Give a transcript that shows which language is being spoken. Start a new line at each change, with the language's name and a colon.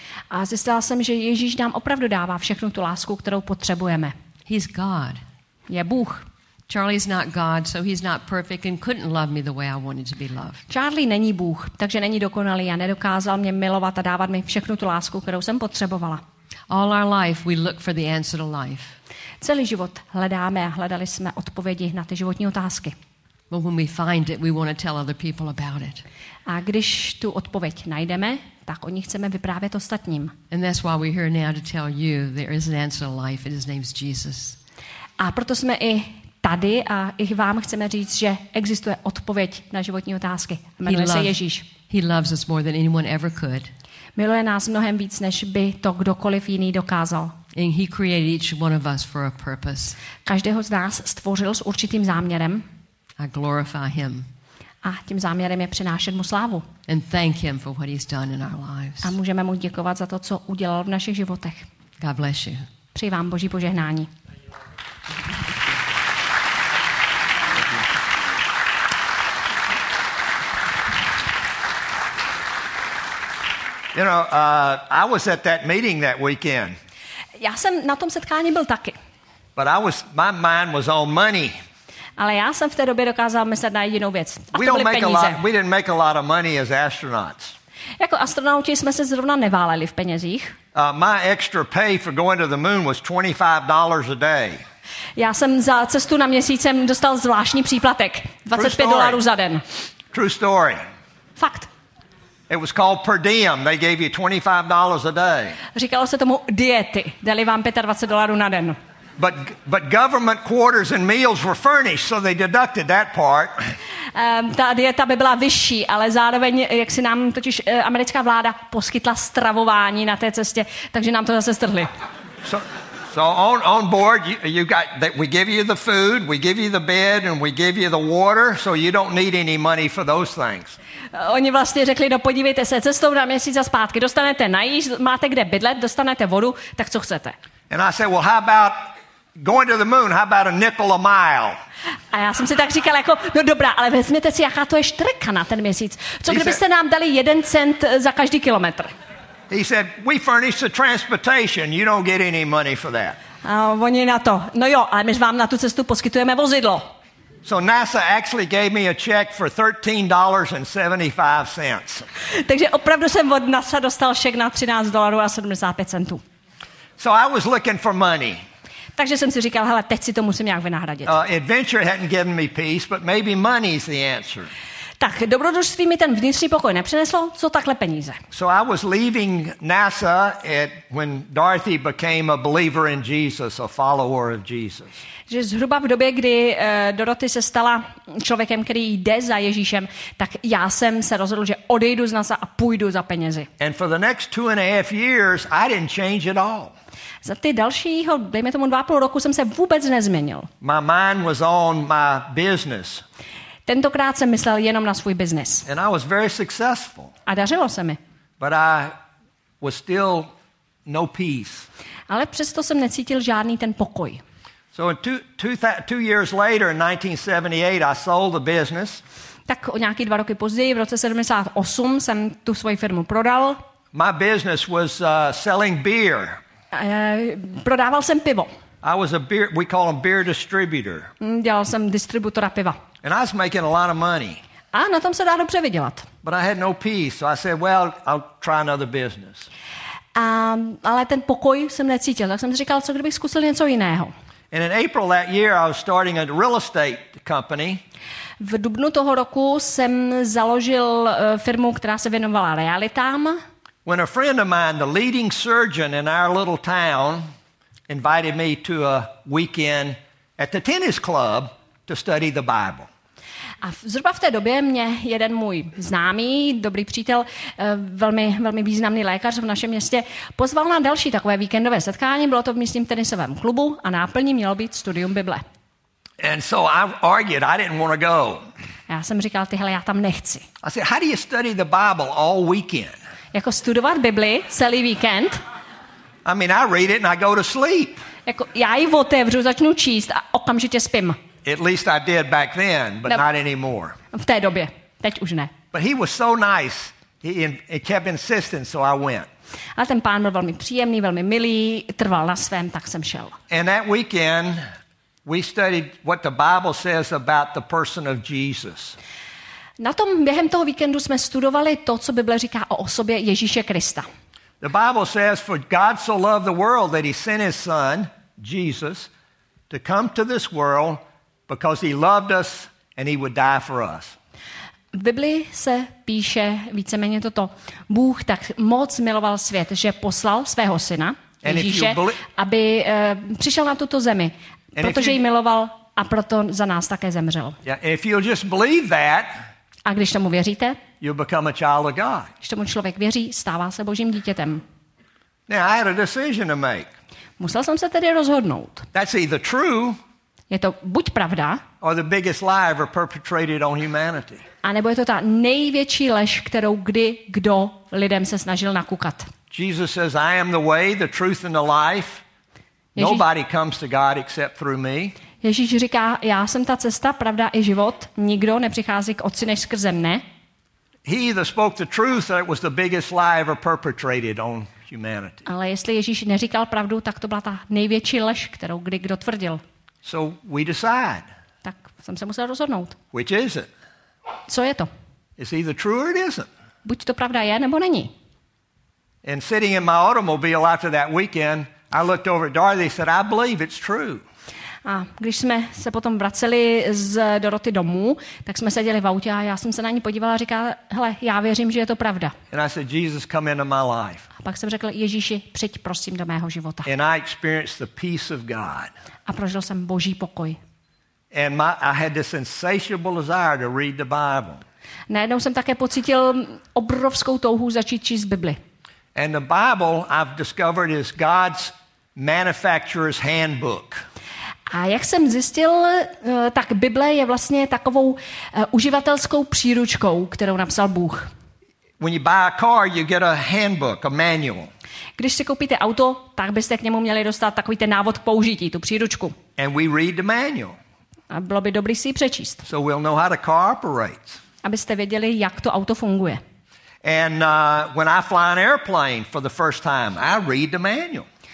Czech: A zjistila jsem, že Ježíš nám opravdu dává všechnu tu lásku, kterou potřebujeme.
English: He's God.
Czech: Je Bůh.
English: Charlie's not God, so he's not perfect and couldn't love me the way I wanted to be loved.
Czech: Charlie není Bůh, takže není dokonalý a nedokázal mě milovat a dávat mi všechnu tu lásku, kterou jsem potřebovala.
English: All our life we look for the answer to life.
Czech: Celý život hledáme a hledali jsme odpovědi na ty životní otázky.
English: But when we find it, we want to tell other people about it.
Czech: A když tu odpověď najdeme, tak o ní chceme vyprávět ostatním.
English: And that's why we're here now to tell you there is an answer to life. His name is Jesus.
Czech: A proto jsme i tady a i vám chceme říct, že existuje odpověď na životní otázky. Jmenuje se Ježíš.
English: He loves us more than anyone ever could.
Czech: Miluje nás mnohem víc, než by to kdokoliv jiný dokázal.
English: And he created each one of us for a purpose.
Czech: Každého z nás stvořil s určitým záměrem.
English: I glorify him.
Czech: A tím záměrem je přinášet mu slávu.
English: And thank him for what he's done in our lives.
Czech: A můžeme mu děkovat za to, co udělal v našich životech.
English: God bless you.
Czech: Přeji vám Boží požehnání.
English: You know, I was at that meeting that weekend.
Czech: Já jsem na tom setkání byl taky.
English: But my mind was on money.
Czech: Ale já jsem v té době dokázal myslet na jedinou věc.
English: We didn't make a lot of money as astronauts.
Czech: Jako astronauti jsme se zrovna neváleli v penězích.
English: My extra pay for going to the moon was $25 a day.
Czech: Já jsem za cestu na měsíc dostal zvláštní příplatek $25 za den.
English: True story.
Czech: Fakt.
English: It was called per diem. They gave you $25 a day.
Czech: Říkalo se tomu diety. Dali vám $25 na den.
English: But government quarters and meals were furnished, so they deducted that part.
Czech: Ta dieta by byla vyšší, ale zároveň, jak si nám totiž americká vláda poskytla stravování na té cestě, takže nám to zase strhli.
English: So on board, you got that we give you the food, we give you the bed, and we give you the water, so you don't need any money for those things.
Czech: Oni vlastně řekli, no podívejte se, cestou na měsíc a zpátky, dostanete najíst, máte kde bydlet, dostanete vodu, tak co chcete?
English: And I said, well, how about going to the moon, how about a nickel a mile?
Czech: A já jsem si tak říkal, jako, no dobrá, ale vezměte si, jaká to je štrka na ten měsíc. Co kdybyste nám dali 1 cent za každý kilometr?
English: He said, we furnish the transportation, you don't get any money for that.
Czech: A oni na to, no jo, ale my vám na tu cestu poskytujeme vozidlo.
English: So NASA actually gave me a check for $13.75.
Czech: Takže opravdu jsem od NASA dostal šek na $13.75.
English: So I was looking for money.
Czech: Takže jsem si říkal, hele, teď si to musím nějak vynahradit.
English: Adventure hadn't given me peace, but maybe money's the answer.
Czech: Tak, dobrodružství mi ten vnitřní pokoj nepřineslo, co takhle peníze.
English: So I was leaving NASA when Dorothy became a believer in Jesus, a follower of Jesus.
Czech: Že zhruba v době, kdy Dorothy se stala člověkem, který jde za Ježíšem, tak já jsem se rozhodl, že odejdu z NASA a půjdu za penězi.
English: And for the next 2.5 years, I didn't change at all.
Czech: Za ty dalšího, dejme tomu 2.5 roku, jsem se vůbec nezměnil.
English: My mind was on my business.
Czech: Tentokrát jsem myslel jenom na svůj biznis.
English: And I was very successful.
Czech: A dařilo se mi.
English: But I was still no peace.
Czech: Ale přesto jsem necítil žádný ten pokoj.
English: So two years later in 1978 I sold the business.
Czech: Tak o nějaký 2 roky později, v roce 78, jsem tu svoji firmu prodal.
English: My business was selling beer.
Czech: Prodával jsem pivo.
English: I was a beer, we call them beer distributor.
Czech: Dělal jsem distributora piva.
English: And I was making a lot of money.
Czech: A na tom se dá dobře vydělat.
English: But I had no peace, so I said, well, I'll try another business.
Czech: Ale ten pokoj jsem necítil, tak jsem si říkal, co kdybych zkusil něco jiného.
English: And in April that year, I was starting a real estate company.
Czech: V dubnu toho roku jsem založil firmu, která se věnovala realitám.
English: When a friend of mine, the leading surgeon in our little town, invited me to a weekend at the tennis club to study the Bible.
Czech: A zhruba v té době mě jeden můj známý, dobrý přítel, velmi, velmi významný lékař v našem městě, pozval na další takové víkendové setkání, bylo to v místním tenisovém klubu a náplní mělo být studium Bible.
English: And so I argued, I didn't want to go.
Czech: Já jsem říkal, ty hele, já tam nechci.
English: I said, how do you study the Bible all weekend?
Czech: Jako studovat Bibli celý víkend.
English: I mean, I read it and I go to sleep.
Czech: Jako já ji otevřu, začnu číst a okamžitě spím.
English: At least I did back then, but no, not anymore.
Czech: V té době, teď už ne.
English: But he was so nice. He kept insisting, so I went.
Czech: Ale ten pán byl velmi příjemný, velmi milý, trval na svém, tak jsem šel.
English: And that weekend, we studied what the Bible says about the person of Jesus.
Czech: Na tom během toho víkendu jsme studovali to, co Bible říká o osobě Ježíše Krista.
English: The Bible says, for God so loved the world that he sent his son, Jesus, to come to this world because he loved us and he would die for us.
Czech: V Bibli se píše víceméně toto. Bůh tak moc miloval svět, že poslal svého syna, Ježíše, aby přišel na tuto zemi, protože ji miloval a proto za nás také zemřel.
English: If you just believe that,
Czech: a když tomu věříte,
English: you become a child of God.
Czech: Když tomu člověk věří, stává se Božím dítětem.
English: Now, I had a decision to make.
Czech: Musel jsem se tedy rozhodnout.
English: That's either true,
Czech: je to buď pravda,
English: or the biggest lie ever perpetrated on humanity.
Czech: A nebo je to ta největší lež, kterou kdy kdo lidem se snažil nakukat.
English: Jesus says, I am the way, the truth and the life. Nobody comes to God except through me.
Czech: Ježíš říká, já jsem ta cesta, pravda i život, nikdo nepřichází k Otci než skrze mne.
English: He either spoke the truth or it was the biggest lie ever perpetrated on humanity.
Czech: Ale jestli Ježíš neříkal pravdu, tak to byla ta největší lež, kterou kdy kdo tvrdil.
English: So we decide.
Czech: Tak jsem se musel rozhodnout.
English: Which is it?
Czech: Co je to?
English: It's either true or it isn't.
Czech: Buď to pravda je, nebo není.
English: And sitting in my automobile after that weekend, I looked over at Dorothy and said, I believe it's true.
Czech: A když jsme se potom vraceli z Doroty domů, tak jsme seděli v autě a já jsem se na ní podívala a říkala, hele, já věřím, že je to pravda.
English: And I said, Jesus, come into my life.
Czech: A pak jsem řekl, Ježíši, přijď prosím do mého života.
English: And I experienced the peace of God.
Czech: A prožil jsem Boží pokoj.
English: And I had this insatiable desire to read the Bible.
Czech: Najednou jsem také pocítil obrovskou touhu začít číst Bibli.
English: And the Bible, I've discovered, is God's manufacturer's handbook.
Czech: A jak jsem zjistil, tak Bible je vlastně takovou uživatelskou příručkou, kterou napsal Bůh.
English: When you buy a car, you get a handbook, a manual.
Czech: Když si koupíte auto, tak byste k němu měli dostat takový ten návod k použití, tu příručku.
English: And we read the manual.
Czech: A bylo by dobrý si ji přečíst.
English: So we'll know how the car operates.
Czech: Abyste věděli, jak to auto funguje.
English: And when I fly an airplane for the first time, I read the manual.